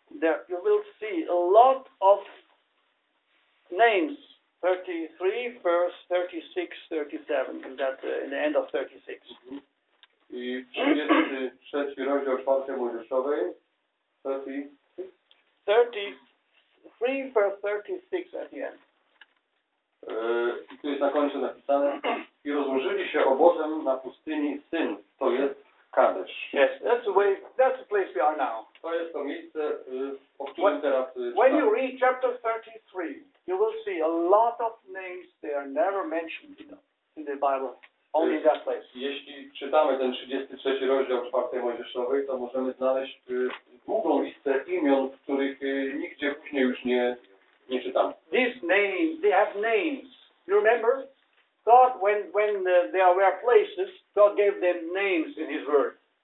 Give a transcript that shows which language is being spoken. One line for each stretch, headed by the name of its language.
English: There you will see a lot of names. 33, verse 36, 37, and that in the end of 36.
Polish: I 33 rozdział 4 Mojżeszowej.
English: 33, verse 36 at the end.
Polish: I tu jest na końcu napisane. I rozłożyli się obozem na pustyni Syn, to jest Kadesz.
English: Yes, that's the way, that's the place we are now.
Polish: To jest to miejsce, o którym
English: when,
Polish: teraz czytamy.
English: When you read chapter 33, you will see a lot of names they are never mentioned in the Bible, only in that place.
Polish: Jeśli czytamy ten 33 rozdział 4 Mojżeszowej, to możemy znaleźć długą listę imion, których nigdzie później już nie czytamy.
English: These names, they have names. You remember? God, when there were places, God gave them names in His Word.